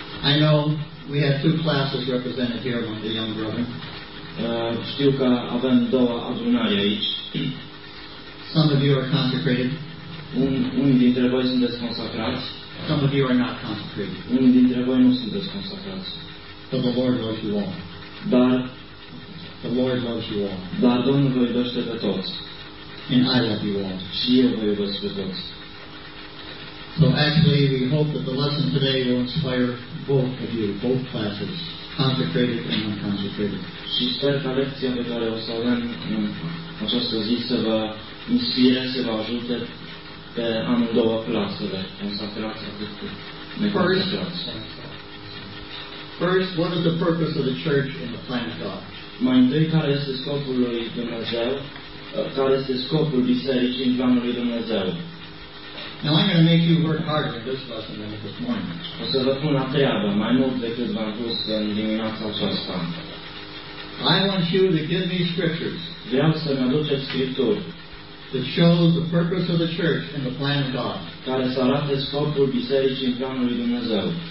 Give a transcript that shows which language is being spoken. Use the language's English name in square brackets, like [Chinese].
[English] I know we have two classes represented here among the young brethren. [Romanian] Știu că avem două adunări aici. [English] Some of you are consecrated. [Romanian] Unii dintre voi sunteți consacrați. [English] Some of you are not consecrated. [Romanian] Unii dintre voi nu sunteți consacrați. [English] But the Lord loves you all. [Romanian] Dar [English] the Lord loves you all. [Romanian] Dar Domnul vă iubește pe toți. [English] And I love you all. [Romanian] Și eu vă iubesc pe toți. [English] So actually, we hope that the lesson today will inspire both of you, both classes, consecrated and unconsecrated. [Romanian] Și sper ca lecția pe care o să avem în această zi să vă inspire, să vă ajute pe amândouă clasele, consacrați atât cât neconsacrați. [English] First, what is the purpose of the church in the plan of God? [Romanian] Mai întâi, care este scopul lui Dumnezeu? Care este scopul bisericii în planul lui Dumnezeu? [English] Now I'm going to make you work harder in this lesson than this morning. [Romanian] O să vă pun la treabă mai mult decât v-am pus în dimineața aceasta. [English] I want you to give me scriptures. [Romanian] Vreau să ne aduceți scripturi. [English] That shows the purpose of the church and the plan of God. [Romanian] Care să arate scopul bisericii în planul lui Dumnezeu.